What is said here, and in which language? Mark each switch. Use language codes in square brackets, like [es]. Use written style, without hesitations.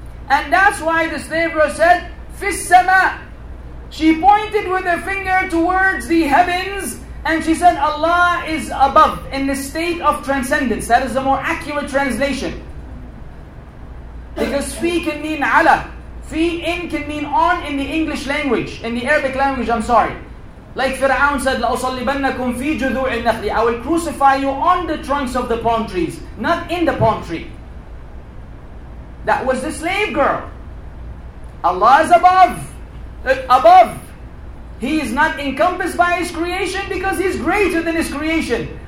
[en] And that's why the slave girl said, Fis-sama. She pointed with her finger towards the heavens, and she said, Allah is above, in the state of transcendence. That is a more accurate translation. Because fi can mean ala. Fi in can mean on in the English language, in the Arabic language, I'm sorry. Like Fir'aun said, [ar] لَأُصَلِّبَنَّكُمْ فِي جُذُوعِ النَّخْلِ. [en] I will crucify you on the trunks of the palm trees, not in the palm tree. That was the slave girl. Allah is above. Above. He is not encompassed by His creation because He is greater than His creation.